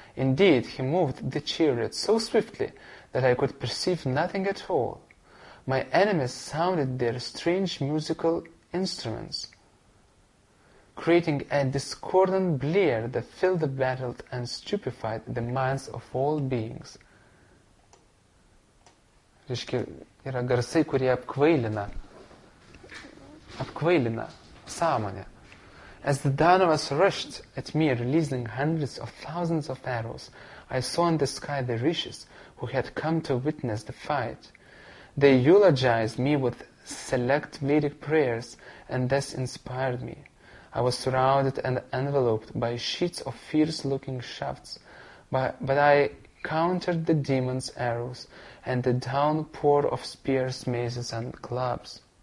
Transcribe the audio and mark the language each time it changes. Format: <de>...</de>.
<en>Indeed, he moved the chariot so swiftly that I could perceive nothing at all. My enemies sounded their strange musical instruments, creating a discordant blare that filled the battle and stupefied the minds of all beings.</en> <lt>Reiškia, yra garsai, kurie apkvailina sąmonę.</lt> <en>As the Danavas rushed at me, releasing hundreds of thousands of arrows, I saw in the sky the rishis who had come to witness the fight. They eulogized me with select Vedic prayers and thus inspired me. I was surrounded and enveloped by sheets of fierce-looking shafts, but I countered the demon's arrows and the downpour of spears, maces, and clubs.</en>